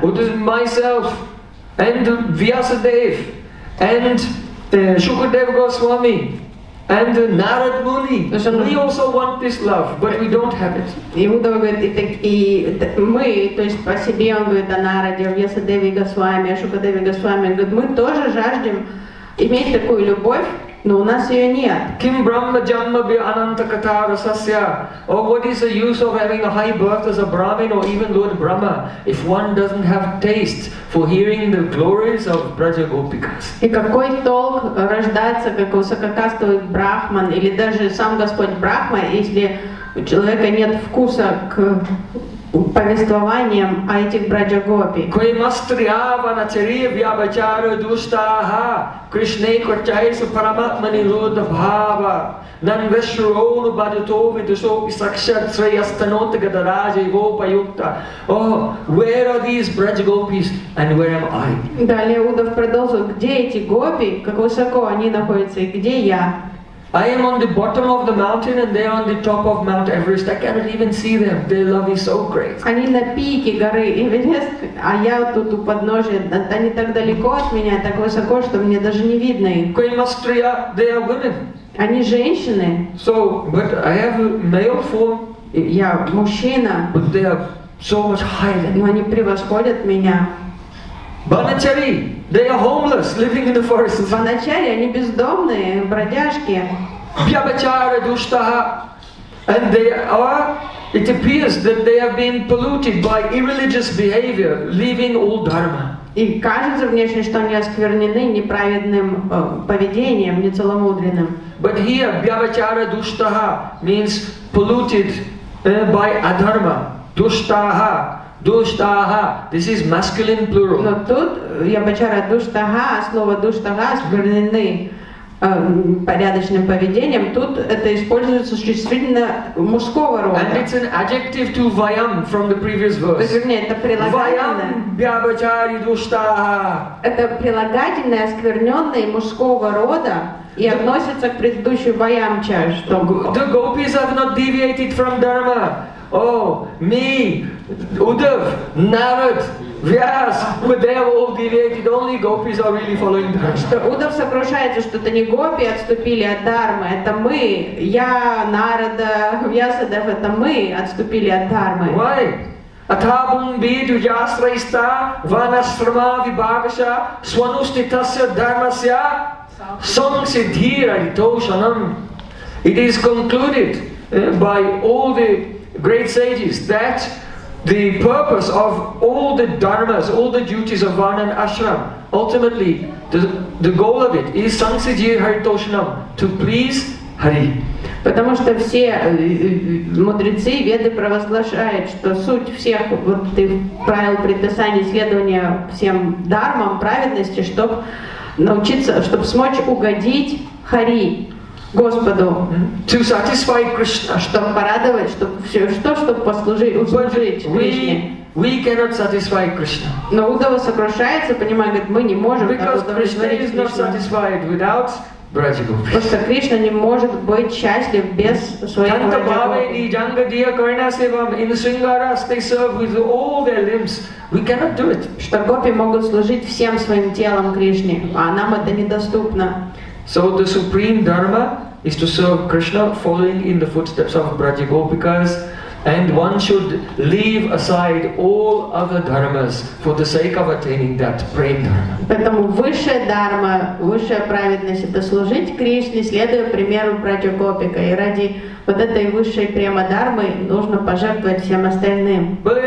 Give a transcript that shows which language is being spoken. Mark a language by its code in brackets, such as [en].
[en] What is myself and Vyasadev and Shukadev Goswami and Narad Muni. We also want this love, but we don't have it. [ru] И Удава говорит, мы, то есть по себе, он говорит о Нараде, Вьясадеве Госвами, Шукадеве Госвами, он говорит, мы тоже жаждем иметь такую любовь, но у нас ее нет. [sa] Ким брахма джанма би ананта катара сасья. [en] Or what is the use of having a high birth as a Brahmin or even Lord Brahma if one doesn't have taste for hearing the glories of Braja Gopikas? [ru] И какой толк рождаться как высококастовый брахман или даже сам Господь Брахма, если у человека нет вкуса к повествованием о этих Браджагопи. [sa] Кои мастриава на царивьябачару душтаха Кришне кварчайсу параматмани рудра бхава нанвешруону бадутови душопи сакшат срейастанота гадараджа и вопа юкта. [en] О, where are these Браджагопис and where am I? [ru] Далее Удав продолжил, где эти гопи, как высоко они находятся и где я? [en] I am on the bottom of the mountain and they are on the top of Mount Everest. I cannot even see them. Their love is so great. [ru] Они на пике горы Эверест, а я тут у подножия. Они так далеко от меня, так высоко, что мне даже не видно их. [sa] Кои мастрия, [en] they are women. [ru] Они женщины. [en] So, but I have a male form. [ru] Я мужчина. [en] But they are so much higher. [ru] Но они превосходят меня. [en] Баначари, they are homeless, living in the forest. [ru] Баначари, они бездомные, бродяжки. [sa] Бьябачара душтаха, [en] and they are, it appears that they have been polluted by irreligious behavior, leaving all dharma. [ru] И кажется внешне, что они осквернены неправедным поведением, нецеломудренным. [en] But here, [sa] vyavachara dushtaha [en] means polluted by adharma. Dushtaha, dushtaha. This is masculine plural. [ru] Но тут [sa] vyavachara dushtaha, [ru] слово dushtaha, осквернены порядочным поведением, тут это используется существительное мужского рода. [en] And it's an adjective to vayam from the previous verse. [ru] Вернее, это прилагательное. [sa] Vayam vyavachari dushtaha. [ru] Это прилагательное, оскверненное мужского рода. И относится к предыдущей ваямча, что... [en] The gopis have not deviated from dharma. Oh, me, Uddhav, Narad, Vyas, but they have all deviated. Only gopis are really following dharma. [ru] Что Уддав сокрушается, что это не гопи отступили от дармы, это мы. Я, Нарада, Вьясадев, это мы отступили от дармы. [en] Why? [sa] Атхабун биду ясраиста ванасрама вибагаша свануститасья дармасья Samsiddhiraitoshanam. [en] It is concluded by all the great sages that the purpose of all the dharmas, all the duties of varna and ashram, ultimately the goal of it is Samsiddhiraitoshanam, to please Hari. [ru] Потому что все мудрецы и веды провозглашают, что суть всех вот, правил предписания следования всем дармам, праведности, чтобы научиться, чтобы смочь угодить Хари, Господу, [en] to satisfy Krishna, [ru] чтобы порадовать, чтобы все, что, чтобы послужить, услужить Кришне. [en] We cannot satisfy Krishna. [ru] Но Удава сокрушается, понимает, говорит, мы не можем удовлетворить [en] satisfied without Брадикупи. [ru] Просто Кришна не может быть счастлив без своего Брадикупи. [en] We cannot do it. [ru] Что гопи могут служить всем своим телом Кришне, а нам это недоступно. [en] So the supreme dharma is to serve Krishna, following in the footsteps of Brajagopikas, and one should leave aside all other dharmas for the sake of attaining that supreme dharma. [ru] Поэтому высшая дарма, высшая праведность — это служить Кришне, следуя примеру Брадикупика, и ради вот этой высшей према дармы нужно пожертвовать всем остальным.